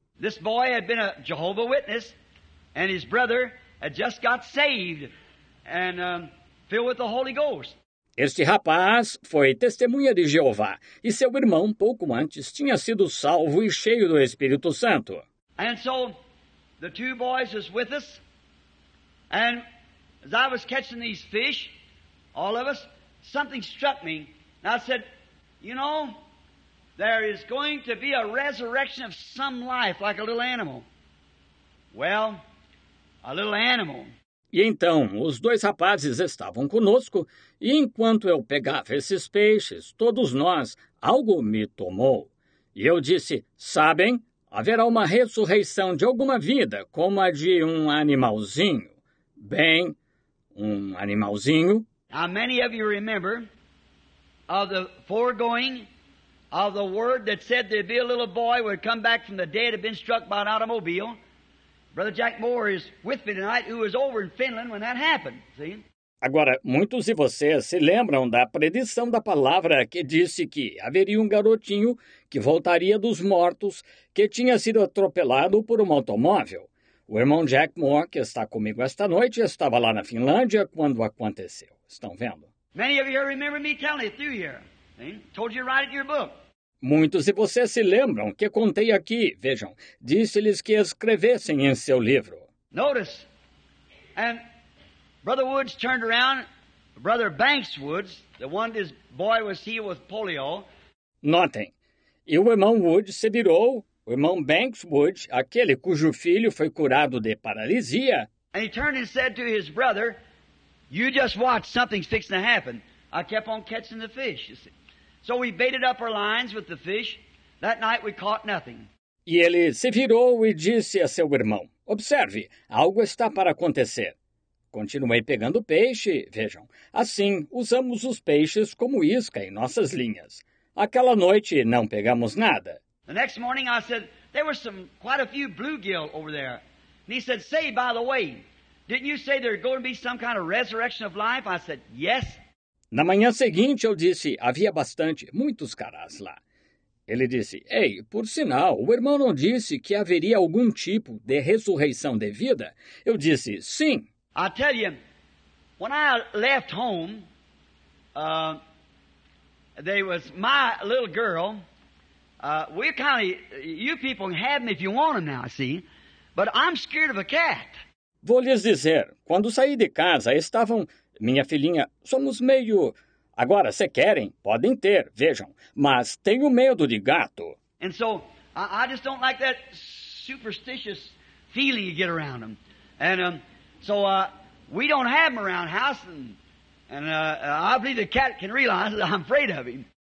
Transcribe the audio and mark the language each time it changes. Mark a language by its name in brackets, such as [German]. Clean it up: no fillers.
[English] This boy had been a Jehovah Witness, and his brother had just got saved and filled with the Holy Ghost. [Portuguese] Este rapaz foi testemunha de Jeová, e seu irmão, pouco antes, tinha sido salvo e cheio do Espírito Santo. [English] And so, the two boys was with us, and as I was catching these fish, all of us, something struck me, and I said, you know, there is going to be a resurrection of some life, like a little animal. Well, a little animal. [Portuguese] E então, os dois rapazes estavam conosco, e enquanto eu pegava esses peixes, todos nós, algo me tomou. E eu disse, sabem, haverá uma ressurreição de alguma vida, como a de um animalzinho. Bem, um animalzinho. [English] Now, many of you remember of the foregoing of the word that said there'd be a little boy who would come back from the dead, had been struck by an automobile. Brother Jack Moore is with me tonight, who was over in Finland when that happened, see? [Portuguese] Agora, muitos de vocês se lembram da predição da palavra que disse que haveria um garotinho que voltaria dos mortos que tinha sido atropelado por um automóvel. O irmão Jack Moore, que está comigo esta noite, estava lá na Finlândia quando aconteceu. Estão vendo? [English] Many of you remember me telling it through here. Told you to write it in your book. [Portuguese] Muitos de vocês se lembram que contei aqui, vejam, disse-lhes que escrevessem em seu livro. [English] Notice, and Brother Woods turned around, Brother Banks Woods, the one this boy was healed with polio. [Portuguese] Notem, e o irmão Woods se virou, o irmão Banks Woods, aquele cujo filho foi curado de paralisia. [English] And he turned and said to his brother, you just watch, something's fixing to happen. I kept on catching the fish, you see. So we baited up our lines with the fish. That night we caught nothing. [Portuguese] E ele se virou e disse a seu irmão, observe, algo está para acontecer. Continuei pegando peixe, vejam. Assim, usamos os peixes como isca em nossas linhas. Aquela noite, não pegamos nada. [English] The next morning I said, there were quite a few bluegill over there. And he said, say, by the way, didn't you say there's going to be some kind of resurrection of life? I said, yes. [Portuguese] Na manhã seguinte, eu disse, havia bastante, muitos carás lá. Ele disse, ei, por sinal, o irmão não disse que haveria algum tipo de ressurreição de vida? Eu disse, sim. [English] I tell you, when I left home, there was my little girl. We're kind of, you people can have them if you want them now, see. But I'm scared of a cat. [Portuguese] Vou lhes dizer, quando saí de casa, estavam... Minha filhinha, somos meio... Agora, se querem, podem ter, vejam. Mas tenho medo de gato. [English] And so, I just don't like that superstitious feeling you get around them. And so, we don't have them around house. And I believe the cat can realize that I'm afraid of him.